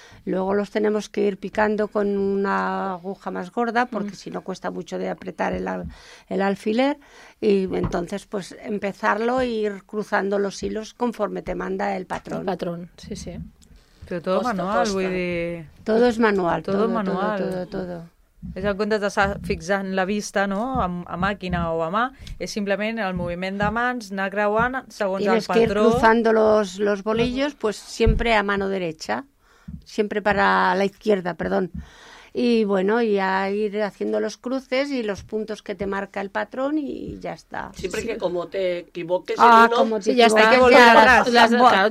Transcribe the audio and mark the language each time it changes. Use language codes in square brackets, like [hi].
[es] luego los tenemos que ir picando con una aguja más gorda, porque si no cuesta mucho de apretar el alfiler, y entonces pues empezarlo e ir cruzando los hilos conforme te manda el patrón, sí, pero todo posta, manual, voy de... todo es manual, todo, todo manual, todo. [ca] És el compte d'estar fixant la vista, no?, a màquina o a mà, és simplement el moviment de mans, anar creuant segons [es] tienes [ca] el patró. [es] Tienes que ir cruzando los bolillos, pues siempre a mano derecha, siempre para la izquierda, perdón. Y bueno, y a ir haciendo los cruces y los puntos que te marca el patrón y ya está. Siempre que como te equivoques hay que volver atrás.